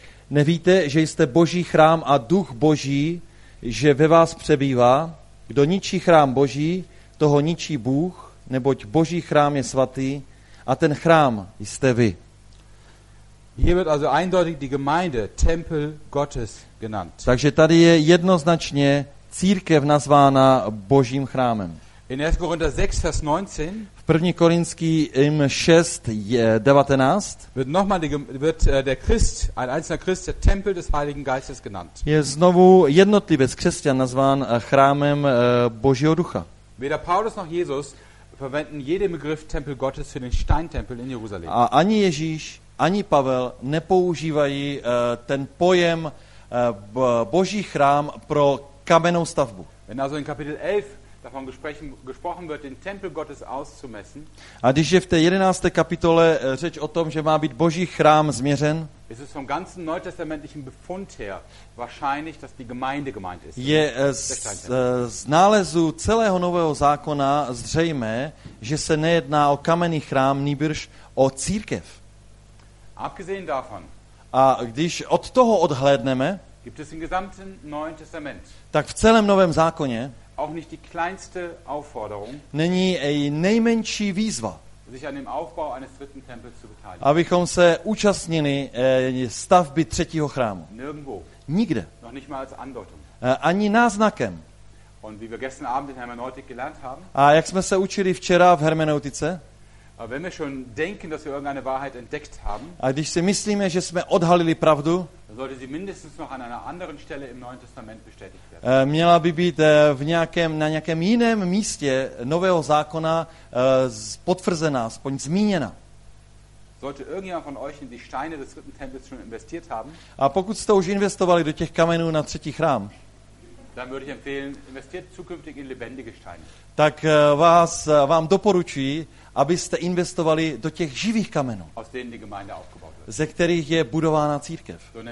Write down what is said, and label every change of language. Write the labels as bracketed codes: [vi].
[cs] Nevíte, že jste Boží chrám a Duch Boží, že ve vás přebývá? Kdo ničí chrám Boží, toho ničí Bůh, neboť Boží chrám je svatý a ten chrám jste vy. [de] Hier wird also eindeutig die Gemeinde Tempel Gottes genannt. [cs] Takže tady je jednoznačně církev nazvána Božím chrámem. [de] In 1. Korinther 6, Vers 19. [cs] V 1. Korinským 6, 19. [de] Wird nochmal der Christ, ein einzelner Christ, der Tempel des Heiligen Geistes genannt. [cs] Je znovu jednotlivec křesťan nazván chrámem Božího ducha. [de] Weder Paulus noch Jesus verwenden jeden Begriff Tempel Gottes für den Steintempel in Jerusalem. [cs] A ani Ježíš, ani Pavel nepoužívají ten pojem Boží chrám pro kamennou stavbu. [de] Wenn also in Kapitel 11 davon gesprochen wird, den Tempel Gottes auszumessen. [cs] A když je v té 11. kapitole řeč o tom, že má být Boží chrám změřen, [de] ist es vom ganzen neutestamentlichen Befund her wahrscheinlich, dass die Gemeinde gemeint ist. [cs] Je z nálezu celého Nového zákona zřejmé, že se nejedná o kamenný chrám, nýbrž o církev. [de] Abgesehen davon. [cs] A když od toho odhlédneme, [de] gibt es im gesamten Neuen Testament. [cs] Tak v celém Novém zákoně [de] auch nicht die kleinste Aufforderung. [cs] Není nejmenší výzva. [de] Sich an dem Aufbau eines dritten Tempels zu beteiligen. [cs] Abychom se účastnili stavby třetího chrámu. [de] Nirgendwo. [cs] Nikde. [de] Noch nicht mal als Andeutung. [cs] Ani náznakem. [de] Und wie wir gestern Abend in Hermeneutik gelernt haben. [cs] A jak jsme se učili včera v hermeneutice? [de] Wenn wir schon denken, dass wir irgendeine Wahrheit entdeckt haben. [cs] A když si myslíme, že jsme odhalili pravdu. [de] Sollte sie mindestens noch an einer anderen Stelle im Neuen Testament bestätigt werden. [cs] Měla by být na nějakém jiném místě Nového zákona potvrzená, aspoň zmíněna. [de] Sollte irgendjemand von euch in die Steine des dritten Tempels schon investiert haben? [cs] A pokud jste už investovali do těch kamenů na třetí chrám? [de] Dann würde ich empfehlen, investiert zukünftig in lebendige Steine. [cs] Tak vám doporučuji, abyste investovali do těch živých kamenů, ze kterých je budována církev.